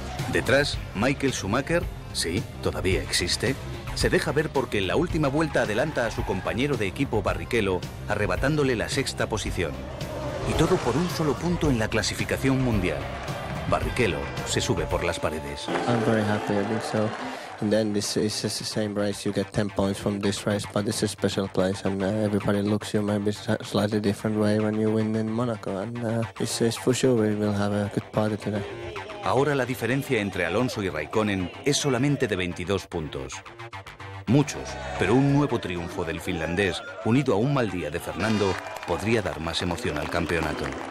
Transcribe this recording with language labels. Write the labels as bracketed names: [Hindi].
[Spanish] Detrás, Michael Schumacher, sí, todavía existe, se deja ver porque en la última vuelta adelanta a su compañero de equipo Barrichello, arrebatándole la sexta posición. Y todo por un solo punto en la clasificación mundial. Barrichello se sube por las paredes. [English] I'm very happy, I think so. And then this is just the same race. You get 10 points from this race, but it's a special place, and everybody looks you maybe slightly different way when you win in Monaco. And it's for sure we will have a good party today. [Spanish] Ahora la diferencia entre Alonso y Raikkonen es solamente de 22 puntos. Muchos, pero un nuevo triunfo del finlandés, unido a un mal día de Fernando, podría dar más emoción al campeonato.